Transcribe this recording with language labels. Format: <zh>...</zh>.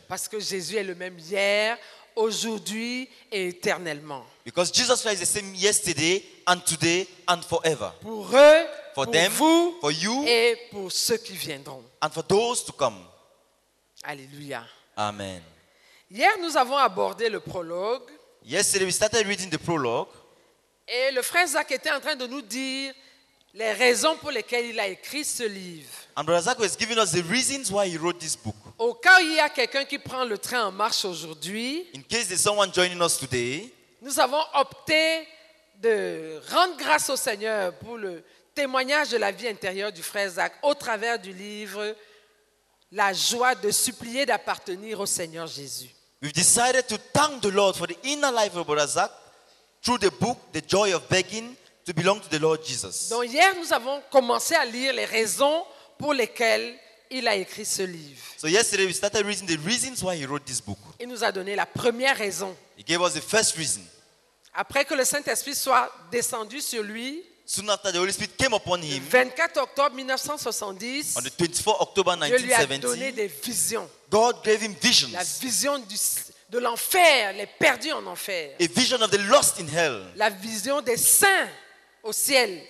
<fr>Parce que Jésus est le même hier, aujourd'hui et éternellement.</fr> <en>Because Jesus Christ is the same yesterday and today and forever.</en> <fr>Pour eux,</fr> <en>for</en> <fr>pour</fr> <en>them,</en> <fr>vous,</fr> <en>for you,</en> <fr>et pour ceux qui viendront.</fr> <en>And for those to come. Alléluia. Amen.</en> <fr>Hier, nous avons abordé le prologue.</fr> <en>Yesterday we started reading the prologue.</en> <fr>Et le frère Zach était en train de nous dire les raisons pour lesquelles il a écrit ce livre.</fr> <en>And Brother Zach was giving us the reasons why he wrote this book.</en> <fr>Au cas où il y a quelqu'un qui prend le train en marche aujourd'hui,</fr> <en>in case there's someone joining us today,</en> <fr>nous avons opté de rendre grâce au Seigneur pour le témoignage de la vie intérieure du frère Zach au travers du livre La joie de supplier d'appartenir au Seigneur Jésus.</fr> <en>We've decided to thank the Lord for the inner life of Brother Zach through the book The Joy of Begging to Belong to the Lord Jesus.</en> <fr>Donc hier nous avons commencé à lire les raisons pour lesquelles il a écrit ce livre.</fr> <en>So yesterday we started reading the reasons why he wrote this book.</en> <fr>Il nous a donné la première raison.</fr> <en>He gave us the first reason.</en> <fr>Après que le Saint-Esprit soit descendu sur lui,</fr> <en>soon after the Holy Spirit came upon him,</en> <fr>le 24 octobre 1970,</fr> <en>on the 24 October 1970,</en> <fr>Dieu lui a donné des visions.</fr> <en>God gave him visions.</en> <fr>La vision de l'enfer, les perdus en enfer.</fr> <en>A vision of the lost in hell.</en> <fr>La vision des saints au ciel.</fr>